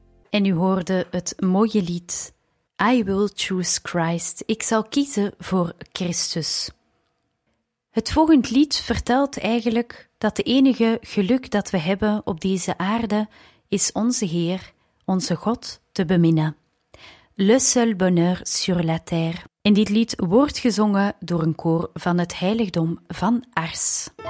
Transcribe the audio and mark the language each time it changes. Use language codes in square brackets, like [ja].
[nl] En u hoorde het mooie lied [en] I will choose Christ. [nl] Ik zal kiezen voor Christus. Het volgende lied vertelt eigenlijk dat het enige geluk dat we hebben op deze aarde is onze Heer, onze God, te beminnen. [fr] Le seul bonheur sur la terre. [nl] En dit lied wordt gezongen door een koor van het heiligdom van Ars.